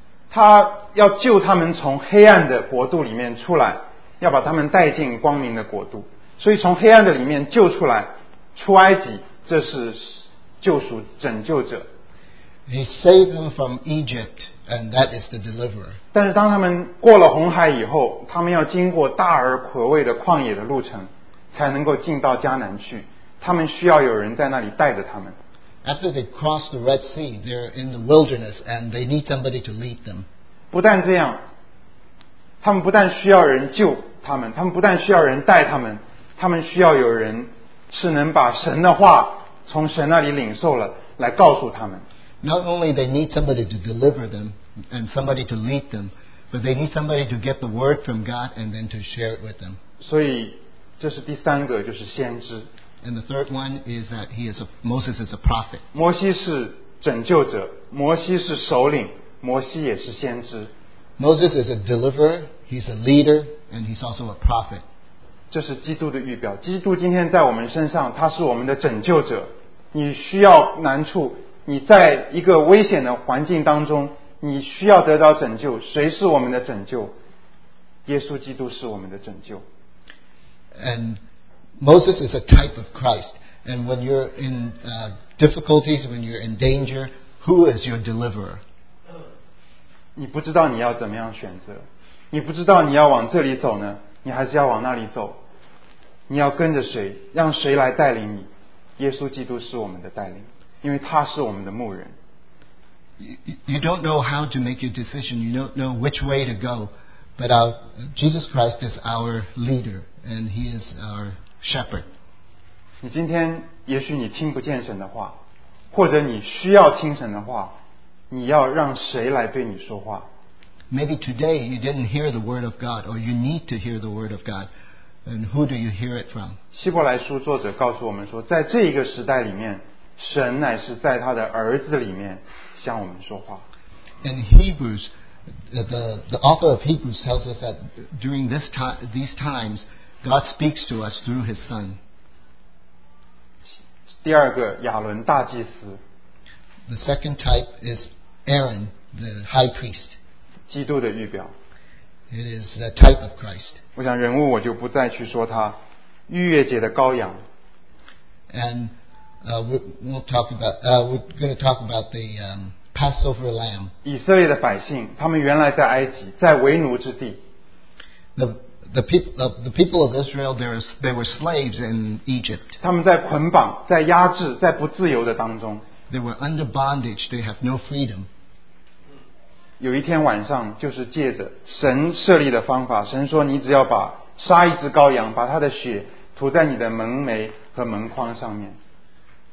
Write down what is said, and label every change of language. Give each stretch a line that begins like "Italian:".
Chinese: 他要救他们从黑暗的国度里面出来，要把他们带进光明的国度。所以从黑暗的里面救出来，出埃及，这是救赎拯救者。
English: He saved them from Egypt, and that is the deliverer.
Chinese: 但是当他们过了红海以后，他们要经过大而可畏的旷野的路程。才能够进到迦南去，他们需要有人在那里带着他们。
English: After they cross the Red Sea, they're in the wilderness and they need somebody to lead them.
Chinese: 不但这样，他们不但需要人救他们，他们不但需要人带他们，他们需要有人是能把神的话从神那里领受了来告诉他们。
English: Not only they need somebody to deliver them and somebody to lead them, but they need somebody to get the word from God and then to share it with them.
Chinese: 所以这是第三个，就是先知。
English: And the third one is that Moses is a prophet.
Chinese: 摩西是拯救者，摩西是首领，摩西也是先知。
English: Moses is a deliverer, he's a leader, and he's also a prophet.
Chinese: 这是基督的预表。基督今天在我们身上，他是我们的拯救者。你需要难处，你在一个危险的环境当中，你需要得到拯救，谁是我们的拯救？耶稣基督是我们的拯救。
English: And Moses is a type of Christ. And when you're in difficulties, when you're in danger, who is your deliverer?
Chinese: 你不知道你要怎么样选择，你不知道你要往这里走呢，你还是要往那里走？你要跟着谁？让谁来带领你？耶稣基督是我们的带领，因为他是我们的牧人。
English: You don't know how to make your decision. You don't know which way to go, but our Jesus Christ is our leader, and He is our shepherd.
Chinese: 你今天也许你听不见神的话，或者你需要听神的话，你要让谁来对你说话？
English: Maybe today you didn't hear the word of God, or you need to hear the word of God, and who do you hear it from?
Chinese: 希伯来书作者告诉我们说，在这一个时代里面，神乃是在他的儿子里面向我们说话。
English: In Hebrews, the author of Hebrews tells us that during this time, these times, God speaks to us through His Son.
Chinese: 第二个亚伦大祭司。
English: The second type is Aaron, the high priest.
Chinese: 基督的预表。
English: It is the type of Christ.
Chinese: 我想人物我就不再去说他，逾越节的羔羊。
English: And we're going to talk about the Passover Lamb.
Chinese: 以色列的百姓，他们原来在埃及，在为奴之地。
English: The people of Israel, they were slaves in Egypt.
Chinese: 他们在捆绑，在压制，在不自由的当中。
English: They were under bondage. They have no freedom.
Chinese: 有一天晚上，就是借着神设立的方法，神说：“你只要把杀一只羔羊，把它的血涂在你的门楣和门框上面。”